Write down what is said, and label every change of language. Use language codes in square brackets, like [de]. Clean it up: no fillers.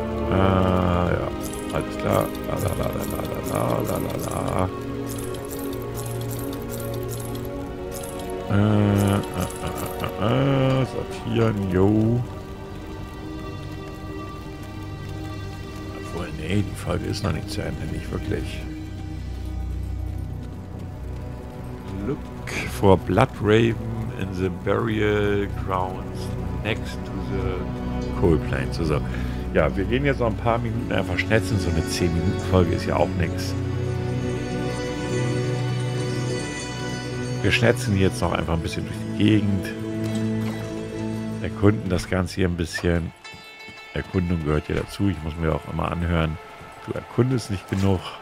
[de] Ja, alles klar. La la la la la la la la la la. Sortieren, yo. Obwohl, nee, die Folge ist noch nicht zu Ende, nicht wirklich. [en] Look for Blood Raven in the Burial Grounds next to the Coal Plains. [de] Also, ja, wir gehen jetzt noch ein paar Minuten einfach schnetzen. So eine 10-Minuten-Folge ist ja auch nichts. Wir schnetzen jetzt noch einfach ein bisschen durch die Gegend. Erkunden das Ganze hier ein bisschen. Erkundung gehört ja dazu. Ich muss mir auch immer anhören, du erkundest nicht genug.